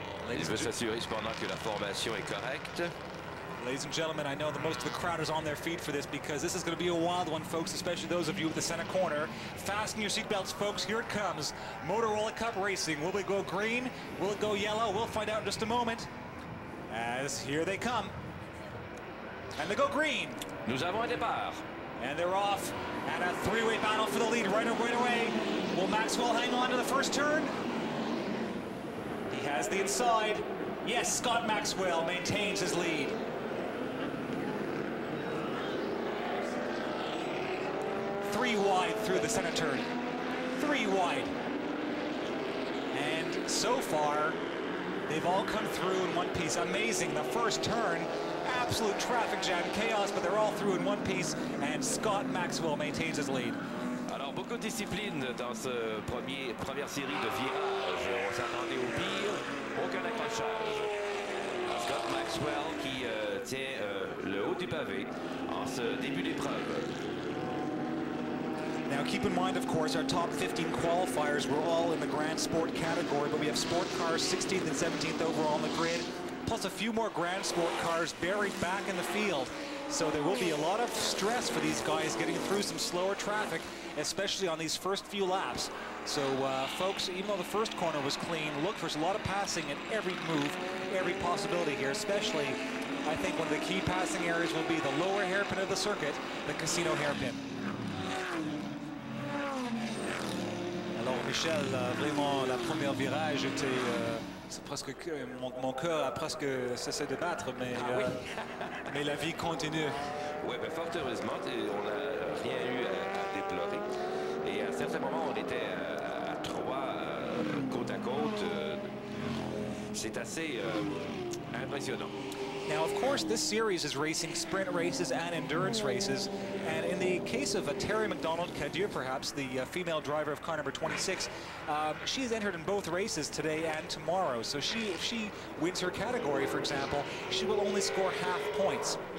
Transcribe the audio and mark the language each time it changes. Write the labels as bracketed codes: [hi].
[fr] Il veut s'assurer cependant que la formation est correcte. [en] Ladies and gentlemen, I know that most of the crowd is on their feet for this because this is going to be a wild one, folks, especially those of you at the center corner. Fasten your seatbelts, folks. Here it comes. Motorola Cup Racing. Will it go green? Will it go yellow? We'll find out in just a moment. As here they come. And they go green. [fr] Nous avons un départ. [en] And they're off. And a three-way battle for the lead right away. Will Maxwell hang on to the first turn? He has the inside. Yes, Scott Maxwell maintains his lead. Three wide through the center turn. Three wide. And so far, they've all come through in one piece. Amazing, the first turn. Absolute traffic jam, chaos, but they're all through in one piece, and Scott Maxwell maintains his lead. [fr] Alors, beaucoup de discipline dans ce première série de virages. On s'attendait au pire, aucun accrochage. Scott Maxwell qui tient le haut du pavé en ce début d'épreuve. [en] Now keep in mind, of course, our top 15 qualifiers were all in the Grand Sport category, but we have Sport cars 16th and 17th overall on the grid, plus a few more Grand Sport cars buried back in the field. So there will be a lot of stress for these guys getting through some slower traffic, especially on these first few laps. So folks, even though the first corner was clean, look for a lot of passing in every move, every possibility here, especially I think one of the key passing areas will be the lower hairpin of the circuit, the casino hairpin. [fr] Alors Michel, vraiment la première virage était c'est presque mon cœur a presque cessé de battre, mais mais la vie continue. Ouais, ben fort heureusement, on n'a rien eu à déplorer. Et à certains moments, on était à trois côte à côte. C'est assez impressionnant. [en] Now, of course, this series is racing sprint races and endurance races. And in the case of a Terry McDonald Cadieux, perhaps, the female driver of car number 26, she has entered in both races today and tomorrow. So she, if she wins her category, for example, she will only score half points.